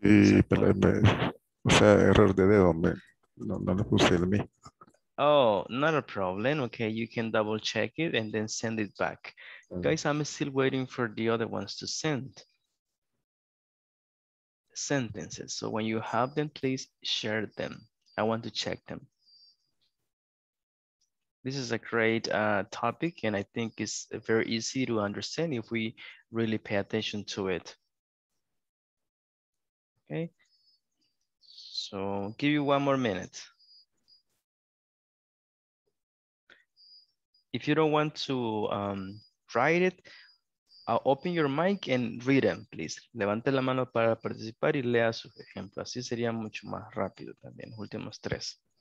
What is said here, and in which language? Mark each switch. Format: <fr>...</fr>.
<es>Y, perdóname, o sea, error de dedo, no le puse el mí.</es> <en>Oh, not a problem, okay, you can double check it and then send it back. Guys, I'm still waiting for the other ones to send sentences. So when you have them, please share them. I want to check them. This is a great topic, and I think it's very easy to understand if we really pay attention to it. Okay. So give you one more minute. If you don't want to write it, I'll open your mic and read them, please.</en> <es>Levante la mano para participar y lea su ejemplo. Así sería mucho más rápido también. Últimos tres.</es>